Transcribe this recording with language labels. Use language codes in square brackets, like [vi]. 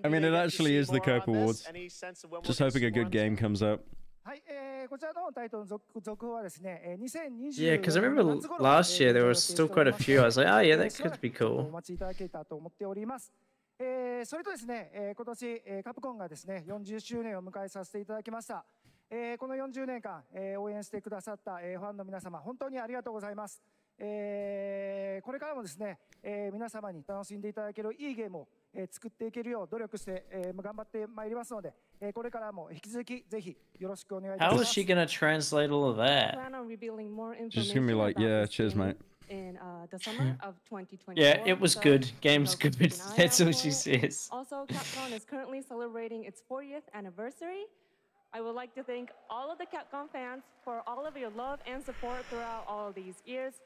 [en] I mean, it actually is the Cope Awards. Just hoping a good game comes up. Yeah, because I remember last year there were still quite a few. I was like, oh yeah, that could be cool. [ja] それとですね、今年カプコンがですね40周年を迎えさせていただきました。この40年間応援してくださったファンの皆様本当にありがとうございます。これからもですね皆様に楽しんでいただけるいいゲームを作っていけるよう努力して頑張ってまいりますので、これからも引き続きぜひよろしくお願いいたします。 [en] How is she gonna translate all of that? She's gonna be like, yeah, cheers, mate. In the summer of 2020. Yeah, it was good. Game's good. That's what she says. Also, Capcom is currently celebrating its 40th anniversary. I would like to thank all of the Capcom fans for all of your love and support throughout all of these years.